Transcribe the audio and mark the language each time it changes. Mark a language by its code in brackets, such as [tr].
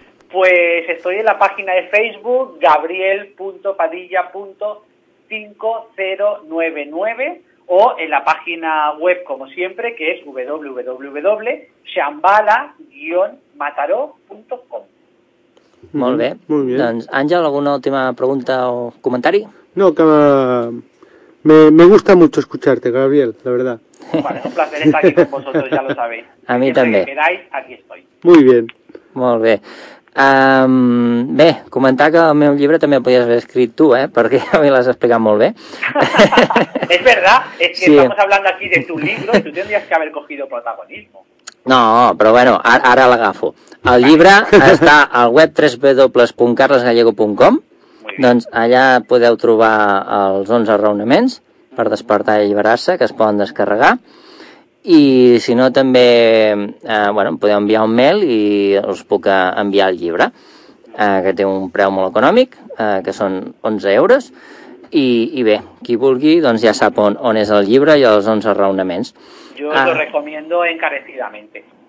[es] Pues estoy en la página de Facebook, gabriel.padilla.5099 o en la página web, como siempre, que es www.shambhala-mataró.com. [ca] Molt bé. Molt bé. Doncs, Àngel, alguna última pregunta o comentari? [es] No, que me gusta mucho escucharte, Gabriel, la verdad. Bueno, es un placer estar aquí con vosotros, ya lo sabéis. A mí también. Que quedáis, aquí estoy. Muy bien. [ca] Molt bé. Bé, comentar que el meu llibre també el podies haver escrit tu, eh? Perquè a mi l'has explicat molt bé. [es] Es verdad, es que sí. Estamos hablando aquí de tu libro, tú tendrías que haber cogido protagonismo. [ca] No, però bueno, ara l'agafo. El llibre està al web www.carlesgallego.com. Doncs allà podeu trobar els 11 raonaments per despertar i alliberar-se, que es poden descarregar. I si no, també bueno, em podeu enviar un mail i us puc enviar el llibre, que té un preu molt econòmic, que són 11 euros. I bé, qui vulgui doncs ja sap on és el llibre i els 11 raonaments. [es] Yo lo recomiendo encarecidamente.